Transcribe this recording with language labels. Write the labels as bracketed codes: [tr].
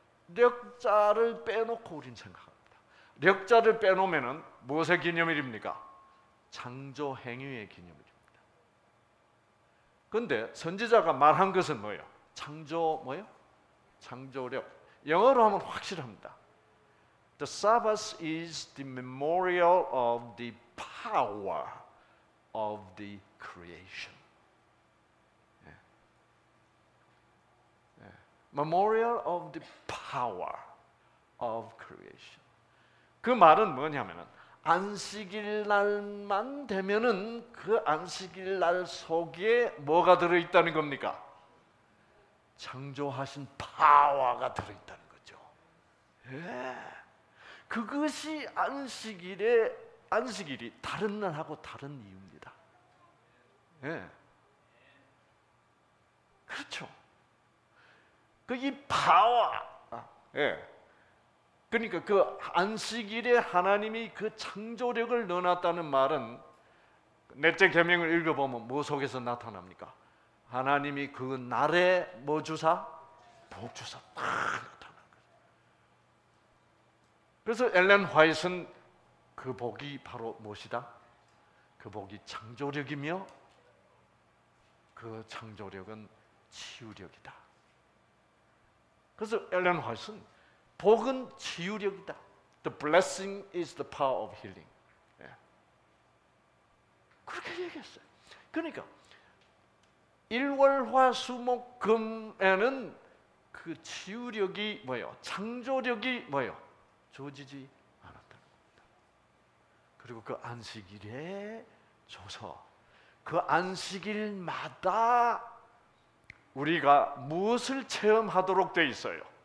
[ko] 력자를 빼놓고 우린 생각합니다. 력자를 빼놓으면 무엇의 기념일입니까? 창조 행위의 기념일입니다. 그런데 선지자가 말한 것은 뭐예요? 창조 뭐예요? 창조력. 영어로 하면 확실합니다. [en] The Sabbath is the memorial of the power of the creation. Memorial of the power of creation. [ko] 그 말은 뭐냐면은 안식일 날만 되면은 그 안식일 날 속에 뭐가 들어 있다는 겁니까? 창조하신 파워가 들어 있다는 거죠. 예. 그것이 안식일이 다른 날하고 다른 이유입니다. 예. 그렇죠. 그 이 파워, 예. 그러니까 그 안식일에 하나님이 그 창조력을 넣어놨다는 말은 넷째 계명을 읽어보면 뭐 속에서 나타납니까? 하나님이 그 날에 뭐 주사? 복 주사 딱 나타난 거예요. 그래서 엘렌 화이트는 그 복이 바로 무엇이다? 그 복이 창조력이며 그 창조력은 치유력이다. 그래서 엘렌 화이트는 복은 치유력이다. [en] The blessing is the power of healing. [ko] 예. 그렇게 얘기했어요. 그러니까 일월 화 수목 금에는 그 치유력이 뭐예요? 창조력이 뭐예요? 주어지지 않았다는 겁니다. 그리고 그 안식일에 줘서 그 안식일마다 우리가 무엇을 체험하도록 돼 있어요?